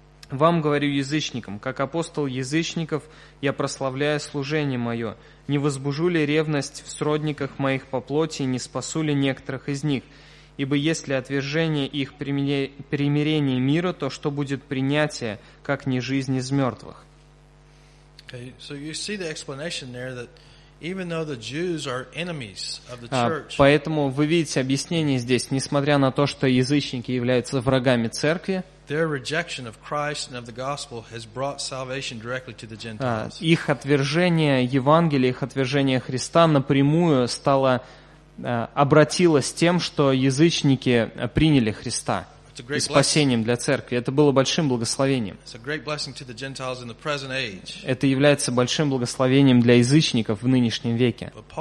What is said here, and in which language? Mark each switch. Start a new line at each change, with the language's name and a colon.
Russian: Вам говорю язычникам, как апостол язычников, я прославляю служение мое. Не возбужу ли ревность в сродниках моих по плоти, не спасу ли некоторых из них? Ибо если отвержение их примирение мира, то что будет принятие, как не жизнь из мертвых?
English: Okay, so you see the explanation there that even though the Jews are enemies of the church.
Russian: Поэтому вы видите объяснение здесь, несмотря на то, что язычники являются врагами церкви.
English: Their rejection of Christ and of the gospel has brought salvation directly to the Gentiles.
Russian: Их отвержение Евангелия, их отвержение Христа напрямую стало обратилось тем, что язычники приняли Христа. И спасением для церкви. Это было большим благословением. Это является большим благословением для язычников в нынешнем веке.